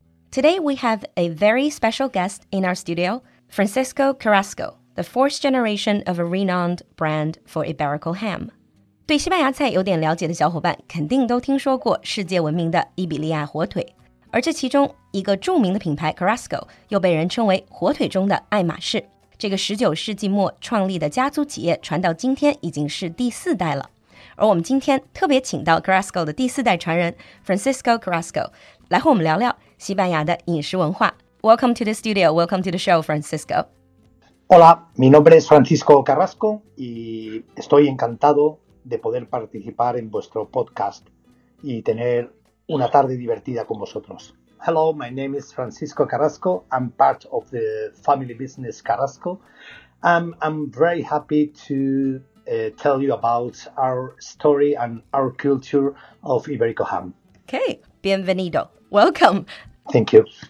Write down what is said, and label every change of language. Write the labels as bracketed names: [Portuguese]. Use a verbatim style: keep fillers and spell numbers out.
[English] Today we have a very special guest in our studio, Francisco Carrasco, the fourth generation of a renowned brand for Iberical ham. [Chinese] 对西班牙菜有点了解的小伙伴肯定都听说过世界闻名的伊比利亚火腿，而这其中一个著名的品牌 Carrasco 又被人称为火腿中的爱马仕。这个十九世纪末创立的家族企业传到今天已经是第四代了，而我们今天特别请到 Carrasco 的第四代传人 Francisco Carrasco 来和我们聊聊西班牙的饮食文化。 [English] Welcome to the studio, welcome to the show, Francisco. [Spanish] Hola, mi nombre es Francisco Carrasco y estoy encantado de poder participar en vuestro podcast y tener una tarde divertida con vosotros. [English] Hello, my name is Francisco Carrasco. I'm part of the family business Carrasco. Um, I'm very happy to uh, tell you about our story and our culture of Iberico ham. [Spanish] Okay, bienvenido. [English] Welcome. [Spanish] Thank you.